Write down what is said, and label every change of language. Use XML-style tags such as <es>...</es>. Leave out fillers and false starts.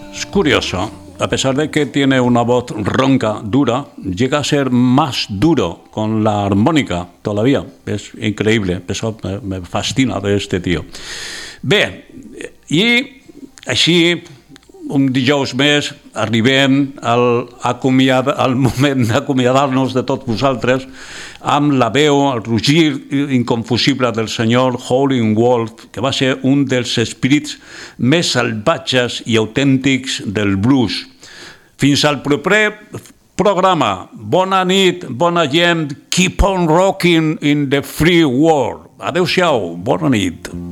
<es>Curioso, a pesar de que tiene una voz ronca, dura, llega a ser más duro con la armónica todavía. Es increíble, eso me fascina de este tío.</es> <ca>Bé, i així, un dijous més, arribem al moment d'acomiadar-nos de tots vosaltres amb la veu, el rugir inconfusible del senyor Howlin' Wolf, que va ser un dels espírits més salvatges i autèntics del blues. Fins al proper programa. Bona nit, bona gent.</ca> <en>Keep on rocking in the free world.</en> <ca>Adéu-siau, bona nit.</ca>